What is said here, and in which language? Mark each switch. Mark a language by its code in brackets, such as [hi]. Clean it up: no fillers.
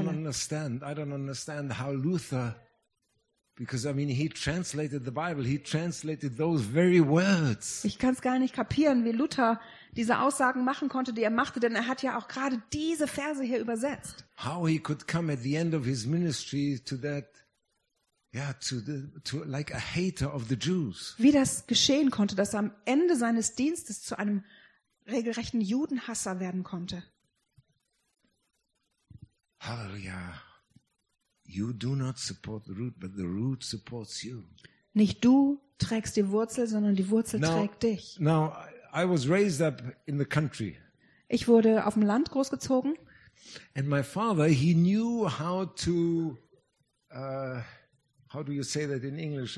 [en] I don't understand how Luther, because I mean he translated the Bible, he translated those very words. [de] Ich kann es gar nicht kapieren, wie Luther diese Aussagen machen konnte, die er machte, denn er hat ja auch gerade diese Verse hier übersetzt. [en] How he could come at the end of his ministry to that, yeah, to like a hater of the Jews. [de] Wie das geschehen konnte, dass er am Ende seines Dienstes zu einem regelrechten Judenhasser werden konnte. Halleluja. [en] You do not support the root, but the root supports you. [de] Nicht du trägst die Wurzel, sondern die Wurzel trägt dich. [en] Now, I was raised up in the country. [de] Ich wurde auf dem Land großgezogen. [en] And my father, he knew how to how do you say that in English?